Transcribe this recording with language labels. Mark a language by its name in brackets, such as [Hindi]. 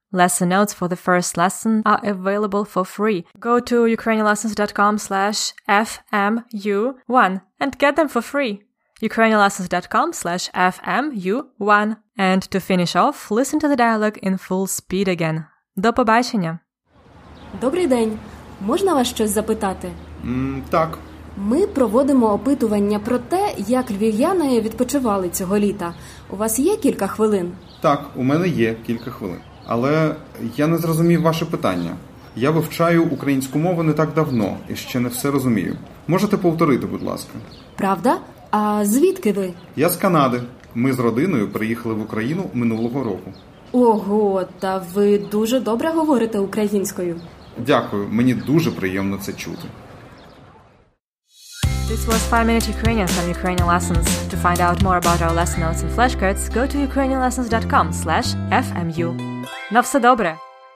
[English] Lesson notes for the first lesson are available for free. Go to ukrainianlessons.com/fmu1 and get them for free. ukrainianlessons.com/fmu1. And to finish off, listen to the dialogue in full speed again. [Ukrainian] До побачення! Добрий день! Можна вас щось запитати? Так. Ми проводимо опитування про те, як львів'яни відпочивали цього літа. У вас є кілька хвилин? Так, у мене є кілька хвилин. Але я не зрозумів ваше питання. Я вивчаю українську мову не так давно і ще не все розумію. Можете повторити, будь ласка? Правда? А звідки ви? Я з Канади. Ми з родиною приїхали в Україну минулого року. Ого, та ви дуже добре говорите українською. Дякую, мені дуже приємно це чути. [English] This was 5-Minute Ukrainian from Ukrainian Lessons. To find out more about our lesson notes and flashcards, go to ukrainianlessons.com/fmu. [Ukrainian] На все добре!